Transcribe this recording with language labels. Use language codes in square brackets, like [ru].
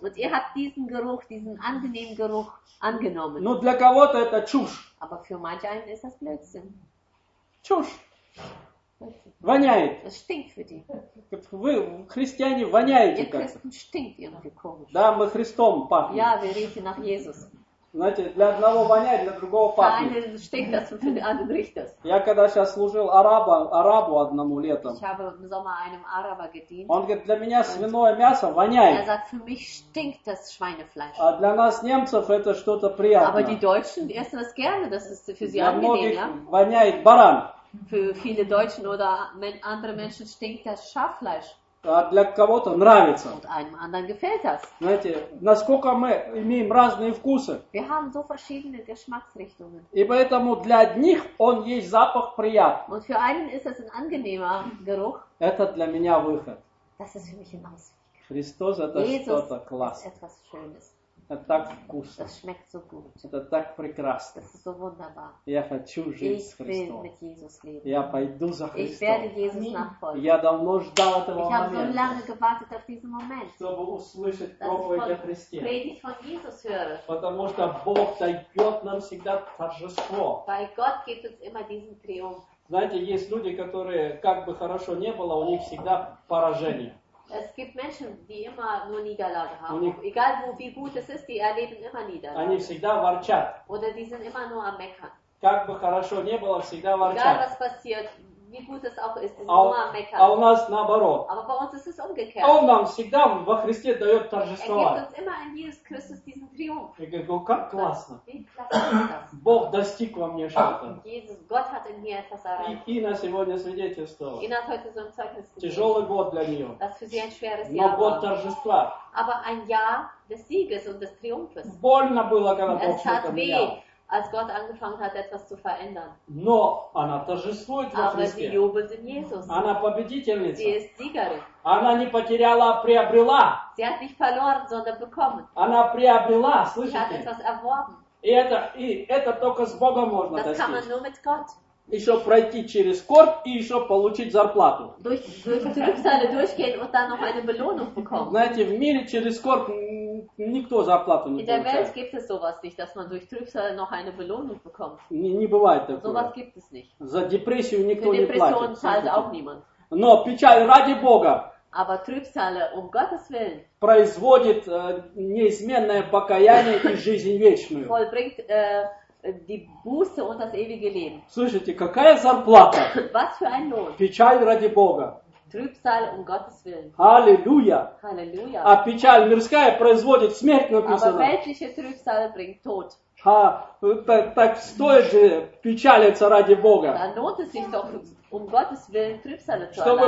[de] Und ihr habt diesen Geruch, diesen angenehmen Geruch angenommen. [ru] Но для кого-то это чушь. [de] Aber für manche einen ist das Blödsinn. [ru] Чушь. Воняет. [de] Es stinkt für die. [ru] Вы, христиане, воняете как-то. [de] Stinkt irgendwie komisch. [ru] Да, мы Христом пахнем. [de] Ja, wir riechen nach Jesus. [ru] Знаете, для одного воняет, для другого пахнет. [de] Für einen stinkt das, für den anderen riecht das. [ru] Я когда сейчас служил арабу одному летом. [de] Ich habe im Sommer einem Araber gedient. [ru] Он говорит, для меня свиное мясо воняет. [de] Er sagt, für mich stinkt das Schweinefleisch. [ru] А для нас немцев это что-то приятное. [de] Aber die Deutschen, die essen das gerne, das ist für sie angenehm, ja? [ru] Для многих воняет баран. [de] Für viele Deutschen oder andere Menschen stinkt das Schaffleisch. [ru] А для кого-то нравится. [de] Und einem anderen gefällt das. [ru] Знаете, насколько мы имеем разные вкусы. [de] Wir haben so verschiedene Geschmacksrichtungen. [ru] И поэтому для одних он есть запах приятный. [de] Und für einen ist es ein angenehmer Geruch. [ru] Это для меня выход. [de] Das ist für mich ein Ausweg. [ru] Христос, это что-то класс. [de] Ist etwas Schönes. [ru] Это так вкусно. [de] Das schmeckt so gut. [ru] Это так прекрасно. [de] Das ist so wunderbar. [ru] Я хочу жить [de] ich [ru] с Христом. [de] Will mit Jesus leben. [ru] Я пойду за Христом. [de] Ich werde Jesus nachfolgen. [ru] Я давно ждал этого [de] ich [ru] момента. [de] Ich habe so lange gewartet auf diesen Moment. [ru] Чтобы услышать проповедь о Христе. [de] Predigt von Jesus höre. [ru] Потому что Бог дает нам всегда торжество. [de] Bei Gott gibt es immer diesen Triumph. [ru] Знаете, есть люди, которые как бы хорошо не было, у них всегда поражение. [de] Es gibt Menschen, die immer nur Niederlage haben. Egal wo, wie gut es ist, die erleben immer Niederlage. [ru] Они всегда ворчат. [de] Oder die sind immer nur am Meckern. [ru] Как бы хорошо не было, всегда ворчат. [de] Egal was passiert, wie gut es auch ist, sind immer am Meckern. [ru] А у нас наоборот. [de] Aber bei uns ist es umgekehrt. [ru] Он нам всегда во Христе дает торжество. [de] Er gibt uns immer in Jesus Christus diesen Triumph. [ru] Я говорю, как классно. [de] Wie klasse. [ru] Бог достиг во мне что-то. [de] Jesus, Gott hat in mir etwas erreicht. [ru] И на сегодня свидетельствовал. [de] Ihn hat heute so ein Zeugnis gegeben. [ru] Тяжелый год для нее. [de] Das für sie ein schweres Jahr. [ru] Но год торжества. [de] Aber ein Jahr des Sieges und des Triumphes. [ru] Больно было, когда Бог что-то менял. [de] Es tat weh, als Gott angefangen hat, etwas zu verändern. [ru] Но она торжествует во Христе. [de] Aber sie jubelt in Jesus. [ru] Она победительница. [de] Sie ist Siegerin. [ru] Она не потеряла, а приобрела. [de] Sie hat nicht verloren, sondern bekommen. [ru] Она приобрела, слышите? [de] Sie hat etwas erworben. [ru] И это только с Богом можно [de] das [ru] достичь. [de] Das kann man nur mit Gott. [ru] Еще пройти через скорбь и еще получить зарплату. Знаете, в мире через скорбь никто зарплату не получает. [de] In der Welt gibt es sowas nicht, dass man durch Trübsal noch eine Belohnung bekommt. [ru] Не бывает такого. [de] Sowas gibt es nicht. [ru] За депрессию никто не платит. [de] Für Depression zahlt auch niemand. [ru] Но печаль ради Бога. [de] Aber Trübsal um Gottes Willen. [ru] Производит неизменное покаяние и жизнь вечную. [de] Vollbringt die Buße und das ewige Leben. [ru] Слушайте, какая зарплата? [de] Was für ein Lohn? [ru] Печаль ради Бога. [de] Трюбсал um Gottes Willen. Halleluja. Halleluja. [ru] А печаль мирская производит смерть, написано. [de] Aber weltliche Trübsal bringt Tod. [ru] Так стоит же печалиться ради Бога. [de] Da lohnt es sich doch, um Gottes Willen Trübsal zu erleiden.